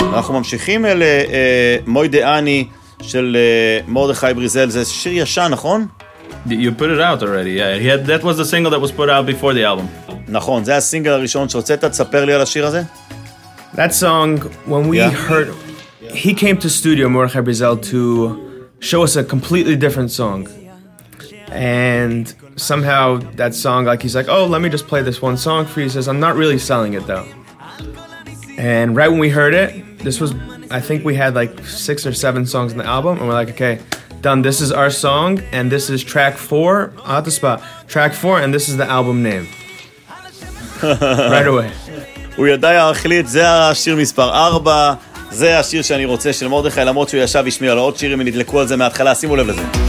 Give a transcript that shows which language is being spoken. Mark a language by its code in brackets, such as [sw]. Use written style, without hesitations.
[he] ממשיכים אל מוי דעני של מורדכי בריזל. זה שיר ישן, נכון? [en] You put it out already, yeah. Had, that was the single that was put out before the album. [he] נכון, זה הסינגל הראשון שרוצית. תספר לי על השיר הזה. [en] That song, when we heard... He came to studio, Mordechai Brizel, to show us a completely different song. And somehow that song, like, he's like, oh, let me just play this one song for you. He says, I'm not really selling it, though. And right when we heard it, this was, I think we had like 6 or 7 songs in the album. And we're like, okay, done. This is our song. And this is track 4. Out the spot. Track 4. And this is the album name. Right away. [he] הוא ידע להחליט, זה השיר מספר 4, זה השיר שאני רוצה של מורדכי, למרות שהוא ישב ישמיע לו עוד שירים, ונדלקו על זה מההתחלה, שימו לב לזה.